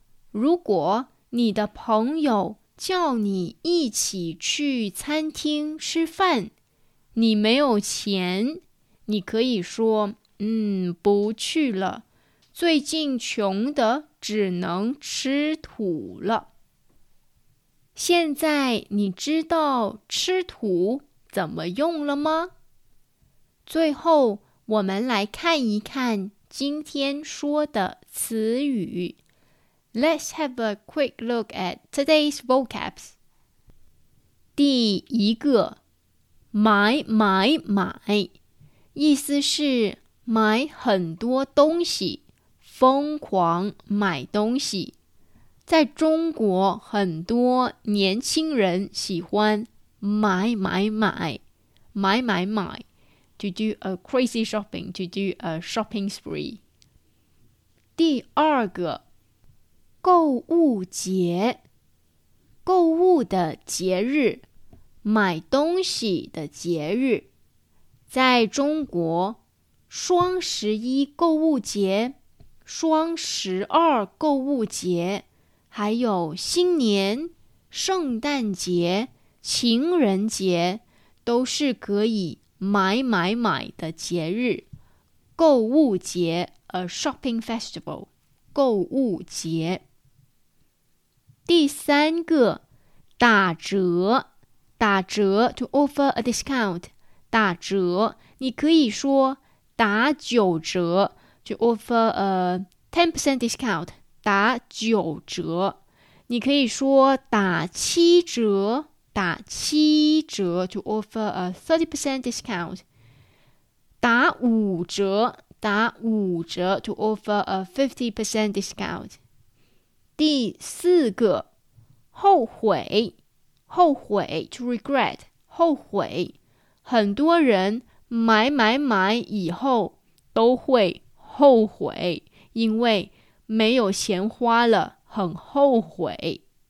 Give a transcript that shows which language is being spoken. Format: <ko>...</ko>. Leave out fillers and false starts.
<zh>如果你的朋友叫你一起去餐厅吃饭，你没有钱，你可以说不去了，最近穷得只能吃土了。现在你知道吃土怎么用了吗？最后，我们来看一看今天说的词语。</zh> <en>Let's have a quick look at today's vocabs.</en> <zh>第一个，买买买，意思是买很多东西，疯狂买东西。在中国，很多年轻人喜欢买买买，买买买。</zh> <en>To do a crazy shopping, to do a shopping spree.</en> <zh>第二个，购物节，购物的节日，买东西的节日。在中国，双十一购物节，双十二购物节，还有新年、圣诞节、情人节，都是可以买买买的节日，购物节 ，</zh> <en>a shopping festival，</en> <zh>购物节。第三个，打折，打折 ，</zh> <en>to offer a discount，</en> <zh>打折，你可以说打九折 ，</zh> <en>to offer a 10% discount，</en> <zh>打九折，你可以说打七折。打七折</zh> <en>to offer a 30% discount.</en> <zh>打五折，打五折</zh> <en>to offer a 50% discount.</en> <zh>第四个，后悔，后悔</zh> <en>to regret,</en> <zh>后悔。很多人买买买以后都会后悔，因为没有钱花了，很后悔。</zh>